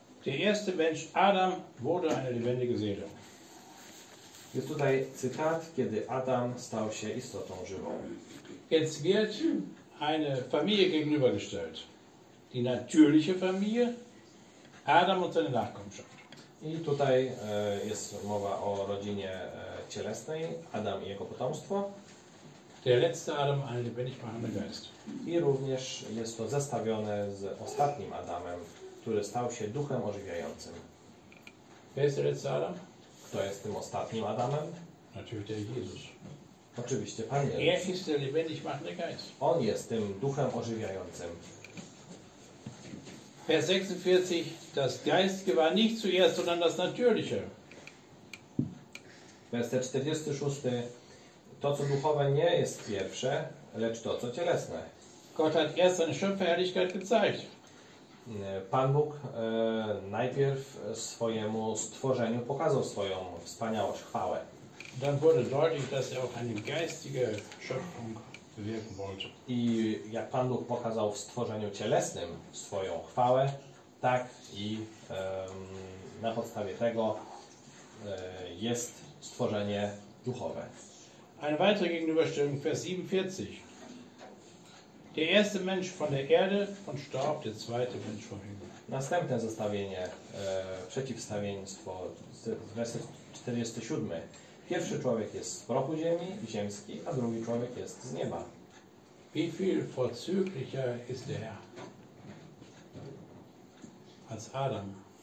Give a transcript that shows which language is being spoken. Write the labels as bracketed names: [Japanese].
[German] Der erste Mensch Adam wurde eine lebendige Seele. [Polish] Jest tutaj cytat, kiedy Adam stał się istotą żywą. [German] Jetzt wird eine Familie gegenübergestellt. Die natürliche Familie, Adam und seine Nachkommenschaft. [Polish] I tutaj jest mowa o rodzinie cielesnej, Adam i jego potomstwo. [German] Der letzte Adam, ein lebendigmachender Geist. [Polish] I również jest to zestawione z ostatnim Adamem, który stał się duchem ożywiającym. [German] Wer ist der letzte Adam? [Polish] Kto jest tym ostatnim Adamem? [German] Natürlich der Jesus. [Polish] Oczywiście Pan Jezus. [German] Er ist der lebendigmachende Geist. [Polish] On jest tym duchem ożywiającym. [German] Vers 46, das Geistige war nicht zuerst, sondern das Natürliche. [Polish] Vers 46, to co duchowe nie jest pierwsze, lecz to co cielesne. [German] Gott hat erst seine Schöpfer Herrlichkeit gezeigt. [Polish] Pan Bóg najpierw swojemu stworzeniu pokazał swoją wspaniałość, chwałę. [German] Dann wurde deutlich, dass er auch eine geistige Schöpfung. [Polish] I jak Pan Bóg pokazał w stworzeniu cielesnym swoją chwałę, tak i na podstawie tego jest stworzenie duchowe. [German] Eine weitere Gegenüberstellung, Vers 47. Der erste Mensch von der Erde, von Staub, der zweite Mensch vom Himmel. [Polish] Następne zestawienie, przeciwstawieństwo, wers 47. Pierwszy człowiek jest z prochu ziemi, ziemski, a drugi człowiek jest z nieba. [German] Wie viel vorzüglicher ist der Herr als Adam?